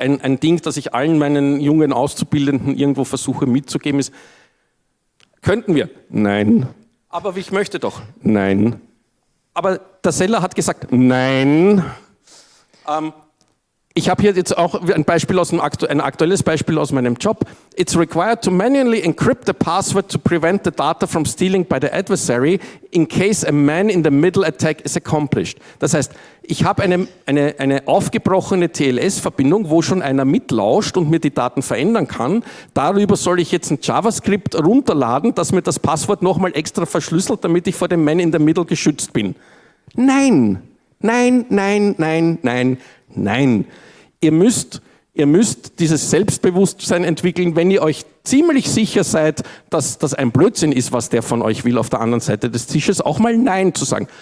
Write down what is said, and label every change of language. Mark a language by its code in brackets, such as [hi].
[de] Ein Ding, das ich allen meinen jungen Auszubildenden irgendwo versuche mitzugeben, ist, könnten wir? Nein. Aber ich möchte doch? Nein. Aber der Seller hat gesagt, nein. Ich habe hier jetzt auch ein aktuelles Beispiel aus meinem Job. [en] It's required to manually encrypt the password to prevent the data from stealing by the adversary in case a man-in-the-middle attack is accomplished. [de] Das heißt, ich habe eine aufgebrochene TLS-Verbindung, wo schon einer mitlauscht und mir die Daten verändern kann. Darüber soll ich jetzt ein JavaScript runterladen, dass mir das Passwort nochmal extra verschlüsselt, damit ich vor dem Man-in-the-Middle geschützt bin. Nein, nein, nein, nein, nein. Nein, ihr müsst dieses Selbstbewusstsein entwickeln, wenn ihr euch ziemlich sicher seid, dass das ein Blödsinn ist, was der von euch will, auf der anderen Seite des Tisches auch mal Nein zu sagen.